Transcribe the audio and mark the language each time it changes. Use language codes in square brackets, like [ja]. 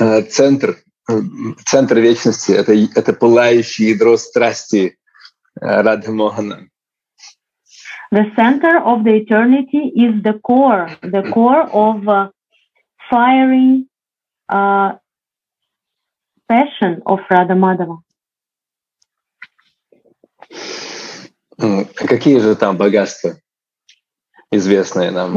[ru] Центр вечности — это пылающее ядро страсти Радамохана. [en] The center of the eternity is the core of fiery passion of Radha Madhava. [ru] Какие же там богатства известные нам?